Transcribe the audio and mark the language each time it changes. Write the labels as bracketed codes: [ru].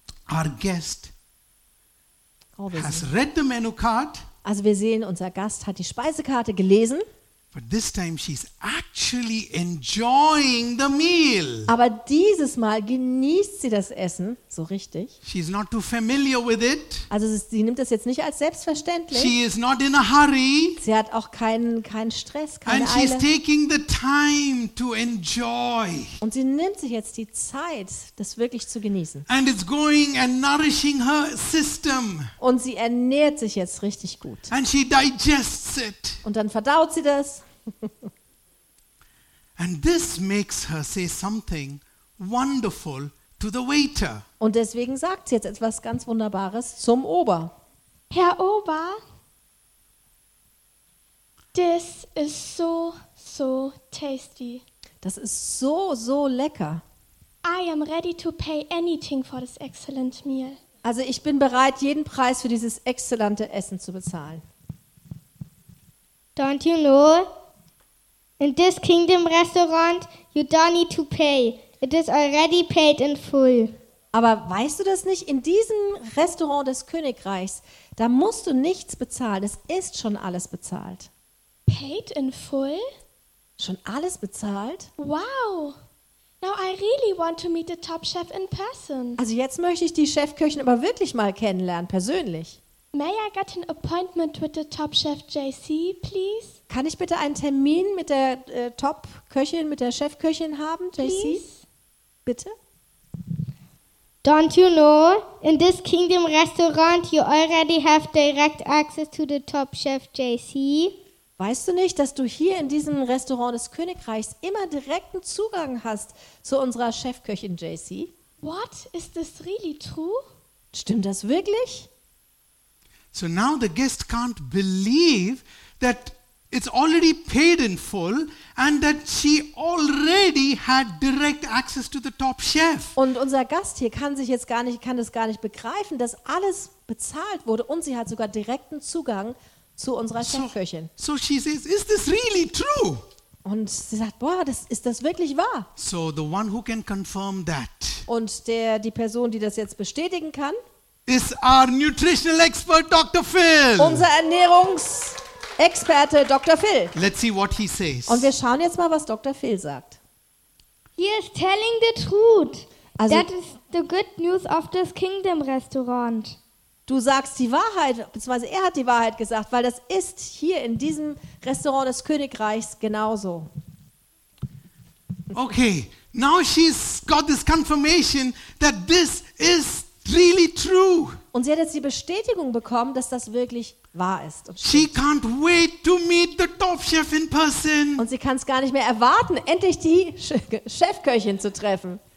[en] our guest has read the menu card. [de] Also wir sehen, unser Gast hat die Speisekarte gelesen. [en] But this time she's actually enjoying the meal. [de] Aber dieses Mal genießt sie das Essen so richtig. [en] She's not too familiar with it. [de] Also sie nimmt das jetzt nicht als selbstverständlich. [en] She is not in a hurry. [de] Sie hat auch keinen Stress, keine [en] And she's [de] Eile. [en] Taking the time to enjoy. [de] Und sie nimmt sich jetzt die Zeit, das wirklich zu genießen. [en] And it's going and nourishing her system. [de] Und sie ernährt sich jetzt richtig gut. [en] And she digests it. [de] Und dann verdaut sie das. [en] And this makes her say something wonderful to the waiter. [de] Und deswegen sagt sie jetzt etwas ganz Wunderbares zum Ober. Herr Ober, [en] this is so, so tasty. [de] Das ist so, so lecker. [en] I am ready to pay anything for this excellent meal. [de] Also ich bin bereit, jeden Preis für dieses exzellente Essen zu bezahlen. [en] Don't you know? In this kingdom restaurant, you don't need to pay. It is already paid in full. [de] Aber weißt du das nicht? In diesem Restaurant des Königreichs, da musst du nichts bezahlen. Es ist schon alles bezahlt. [en] Paid in full? [de] Schon alles bezahlt? [en] Wow! Now I really want to meet the top chef in person. [de] Also jetzt möchte ich die Chefköchin aber wirklich mal kennenlernen, persönlich. [en] May I get an appointment with the top chef JC, please? [de] Kann ich bitte einen Termin mit der Top-Köchin, mit der Chefköchin haben, JC? [en] Please? [de] Bitte? [en] Don't you know, in this kingdom restaurant you already have direct access to the top chef JC? [de] Weißt du nicht, dass du hier in diesem Restaurant des Königreichs immer direkten Zugang hast zu unserer Chefköchin JC? [en] What? Is this really true? [de] Stimmt das wirklich? [en] So now the guest can't believe that It's already paid in full, and that she already had direct access to the top chef. [de] Und unser Gast hier kann es gar nicht begreifen, dass alles bezahlt wurde und sie hat sogar direkten Zugang zu unserer Chefköchin. [en] So she says, "Is this really true?" [de] Und sie sagt, boah, ist das wirklich wahr? [en] So the one who can confirm that. [de] Und die Person, die das jetzt bestätigen kann, [en] is our nutritional expert, Dr. Phil. [de] Unser Ernährungsexperte Dr. Phil. [en] Let's see what he says. [de] Und wir schauen jetzt mal, was Dr. Phil sagt. [en] He is telling the truth. Also, that is the good news of this kingdom restaurant. [de] Du sagst die Wahrheit, beziehungsweise er hat die Wahrheit gesagt, weil das ist hier in diesem Restaurant des Königreichs genauso. [en] Okay, now she's got this confirmation that this is really true. [de] Und sie hat jetzt die Bestätigung bekommen, dass das wirklich wahr ist. [en] She can't wait to meet the top chef in person. [de] Und sie kann es gar nicht mehr erwarten, endlich die Chefköchin zu treffen.